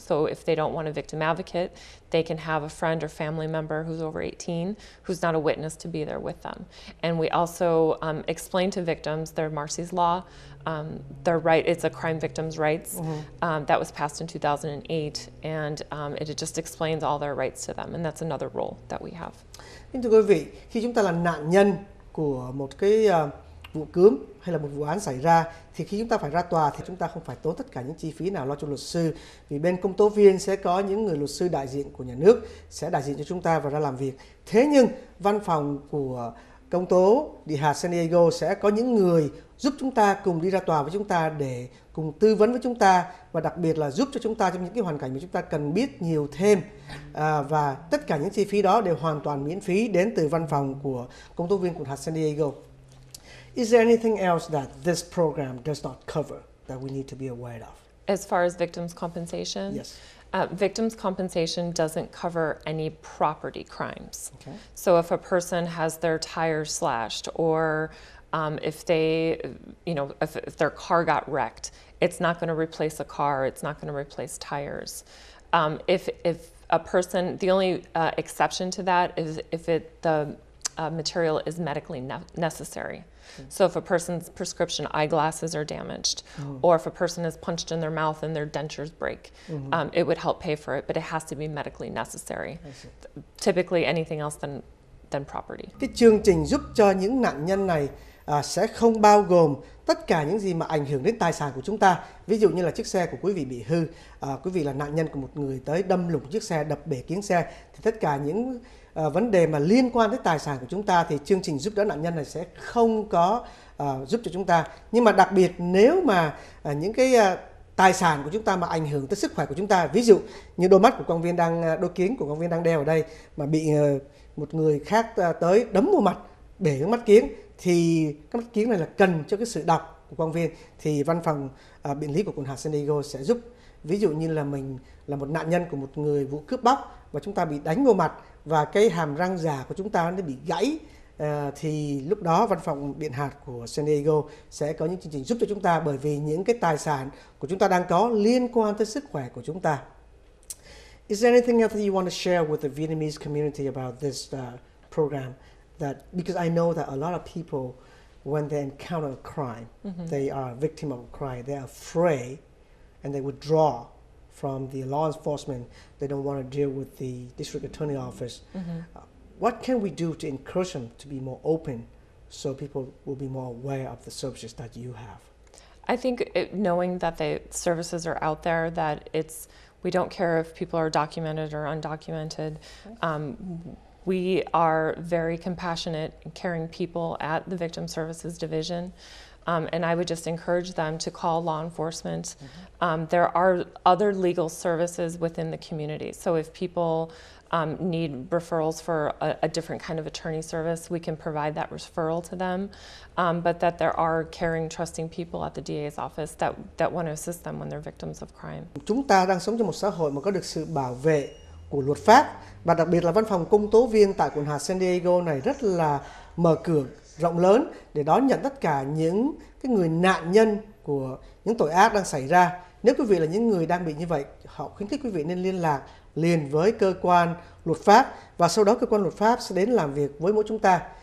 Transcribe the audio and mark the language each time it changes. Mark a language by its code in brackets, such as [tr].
[en] So if they don't want a victim advocate, they can have a friend or family member who's over 18, who's not a witness, to be there with them. And we also explain to victims their Marcy's Law, their right, it's a crime victim's rights, mm-hmm. That was passed in 2008, and it just explains all their rights to them, and that's another role that we have. [vi] Nhưng thưa quý vị, khi chúng ta là nạn nhân của một cái vụ cướp hay là một vụ án xảy ra, thì khi chúng ta phải ra tòa thì chúng ta không phải tốn tất cả những chi phí nào lo cho luật sư, vì bên công tố viên sẽ có những người luật sư đại diện của nhà nước sẽ đại diện cho chúng ta và ra làm việc. Thế nhưng văn phòng của công tố địa hạt San Diego sẽ có những người giúp chúng ta cùng đi ra tòa với chúng ta để cùng tư vấn với chúng ta, và đặc biệt là giúp cho chúng ta trong những cái hoàn cảnh mà chúng ta cần biết nhiều thêm, và tất cả những chi phí đó đều hoàn toàn miễn phí đến từ văn phòng của công tố viên của hạt San Diego. [en] Is there anything else that this program does not cover that we need to be aware of? As far as victims' compensation? Yes. Victims' compensation doesn't cover any property crimes. Okay. So if a person has their tires slashed, or if they, you know, if their car got wrecked, it's not going to replace a car, it's not going to replace tires. If a person, the only exception to that is if the material is medically necessary. So if a person's prescription eyeglasses are damaged, mm-hmm. or if a person is punched in their mouth and their dentures break, mm-hmm. It would help pay for it, but it has to be medically necessary. Typically anything else than property. [vi] Cái chương trình giúp cho những nạn nhân này sẽ không bao gồm tất cả những gì mà ảnh hưởng đến tài sản của chúng ta. Ví dụ như là chiếc xe của quý vị bị hư, quý vị là nạn nhân của một người tới đâm lủng chiếc xe, đập bể kính xe, thì tất cả những vấn đề mà liên quan tới tài sản của chúng ta thì chương trình giúp đỡ nạn nhân này sẽ không có giúp cho chúng ta. Nhưng mà đặc biệt nếu mà những cái tài sản của chúng ta mà ảnh hưởng tới sức khỏe của chúng ta, ví dụ như đôi mắt của quan viên đang đôi kính của quan viên đang đeo ở đây mà bị một người khác tới đấm vào mặt, bể cái mắt kính, thì cái mắt kính này là cần cho cái sự đọc của quan viên, thì văn phòng biện lý của quận hạt San Diego sẽ giúp. Ví dụ như là mình là một nạn nhân của một người vụ cướp bóc và chúng ta bị đánh vào mặt và cái hàm răng giả của chúng ta nó bị gãy, thì lúc đó văn phòng biện hạt của San Diego sẽ có những chương trình giúp cho chúng ta, bởi vì những cái tài sản của chúng ta đang có liên quan tới sức khỏe của chúng ta. [en] Is there anything else that you want to share with the Vietnamese community about this program? That because I know that a lot of people, when they encounter a crime, mm-hmm. they are a victim of a crime, they are afraid, and they withdraw from the law enforcement. They don't want to deal with the district attorney office. Mm-hmm. What can we do to encourage them to be more open so people will be more aware of the services that you have? I think it, knowing that the services are out there, that it's, we don't care if people are documented or undocumented. We are very compassionate, caring people at the Victim Services Division. And I would just encourage them to call law enforcement. There are other legal services within the community. So if people need referrals for a different kind of attorney service, we can provide that referral to them. But that there are caring, trusting people at the DA's office that, that want to assist them when they're victims of crime. [vi] Chúng ta đang sống trong một xã hội mà có được sự bảo vệ của luật pháp, và đặc biệt là văn phòng công tố viên tại quận hạt San Diego này rất là mở cửa rộng lớn để đón nhận tất cả những cái người nạn nhân của những tội ác đang xảy ra. Nếu quý vị là những người đang bị như vậy, họ khuyến khích quý vị nên liên lạc liền với cơ quan luật pháp, và sau đó cơ quan luật pháp sẽ đến làm việc với mỗi chúng ta.